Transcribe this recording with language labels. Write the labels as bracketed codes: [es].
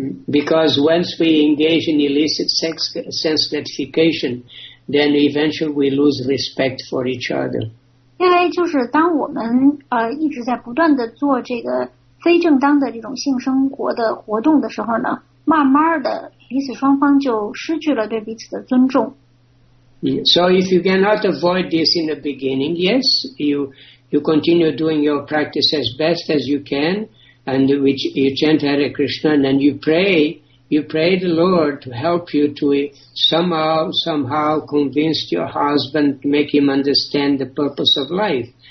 [en] Because once we engage in illicit sense gratification, then eventually we lose respect for each other. [zh] 因为就是当我们一直在不断地做这个非正当的这种性生活的活动的时候呢，慢慢的彼此双方就失去了对彼此的尊重。 [en] So if you cannot avoid this in the beginning, yes, you continue doing your practice as best as you can, and which you chant Hare Krishna, and then you pray the Lord to help you to somehow convince your husband, to make him understand the purpose of life.